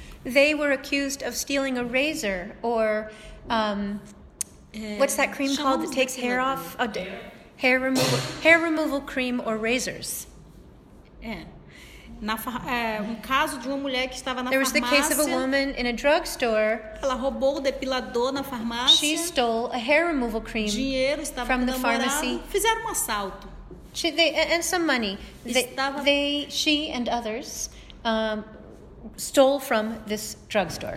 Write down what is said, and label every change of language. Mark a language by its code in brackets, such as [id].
[en] They were accused of stealing a razor or what's that cream called that takes [pt] depilador. [en] Hair off? Hair removal cream or razors. [pt] Um caso de uma mulher que estava na farmácia. [en] There was the case of a woman in a drugstore. [pt] Ela roubou o depilador na farmácia. [en] She stole a hair removal cream. [pt] Dinheiro estava [en] from the pharmacy. [pt] Fizeram um assalto. [en] And some money. She and others stole from this drugstore.